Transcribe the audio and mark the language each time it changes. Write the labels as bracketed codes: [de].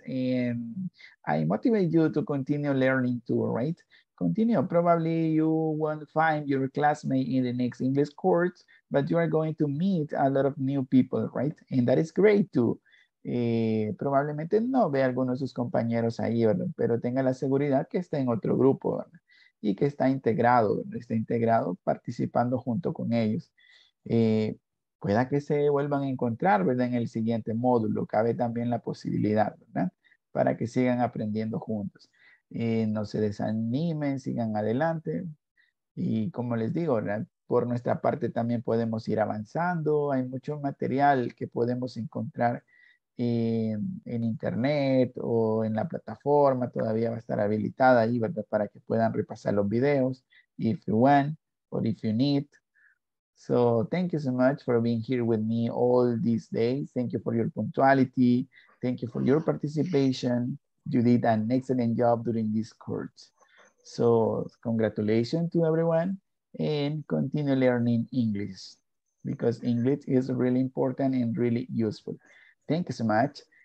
[en] And I motivate you to continue learning too, right? Continue. Probably you won't find your classmate in the next English course, but you are going to meet a lot of new people, right? And that is great too. [es] Probablemente no vea algunos de sus compañeros ahí, ¿verdad? Pero tenga la seguridad que está en otro grupo, ¿verdad? Y que está integrado, ¿verdad? Está integrado participando junto con ellos. Pueda que se vuelvan a encontrar, ¿verdad? En el siguiente módulo, cabe también la posibilidad, ¿verdad? Para que sigan aprendiendo juntos. No se desanimen, sigan adelante. Y como les digo, ¿verdad? Por nuestra parte también podemos ir avanzando. Hay mucho material que podemos encontrar en internet o en la plataforma, todavía va a estar habilitada ahí, ¿verdad? Para que puedan repasar los videos, [en] if you want or if you need. So, thank you so much for being here with me all these days. Thank you for your punctuality. Thank you for your participation. You did an excellent job during this course. So, congratulations to everyone and continue learning English because English is really important and really useful. Thank you so much.